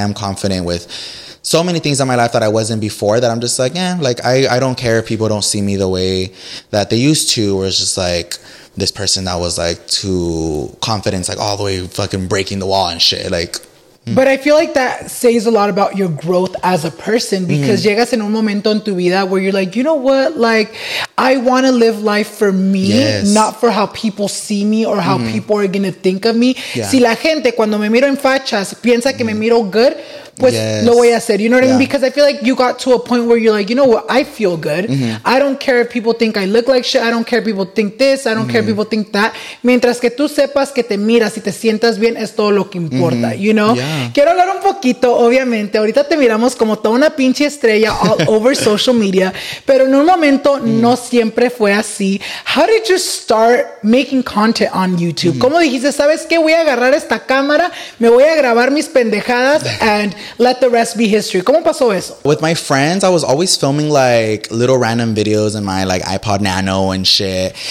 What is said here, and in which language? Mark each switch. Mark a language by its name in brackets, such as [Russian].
[English] I am confident with so many things in my life that I wasn't before, that I'm just like, yeah, like I don't care if people don't see me the way that they used to, or it's just like this person that was like too confident, like all the way fucking breaking the wall and shit. Like, but I feel like that says a lot about your growth as a person, because [Spanish] llegas en un momento en tu vida [English] where you're like, you know what? Like, I want to live life for me, not for how people see me or how people are going to think of me. Yeah. [Spanish] Si la gente cuando me miro en fachas piensa que me miro good, pues lo voy a hacer. [English] You know what I mean? Because I feel like you got to a point where you're like, you know what? I feel good. Mm-hmm. I don't care if people think I look like shit. I don't care if people think this. I don't care if people think that. [Spanish] Mientras que tú sepas que te miras y te sientas bien, es todo lo que importa, you know? Yeah. Quiero hablar un poquito, obviamente. Ahorita te miramos como toda una pinche estrella [English] all over social media. [Spanish] Pero en un momento no siempre fue así. [English] How did you start making content on YouTube? [Spanish] ¿Cómo dijiste, sabes qué? Voy a agarrar esta cámara, me voy a grabar mis pendejadas [English] and let the rest be history. [Spanish] ¿Cómo pasó eso? [English] With my friends, I was always filming like little random videos in my like iPod Nano and shit.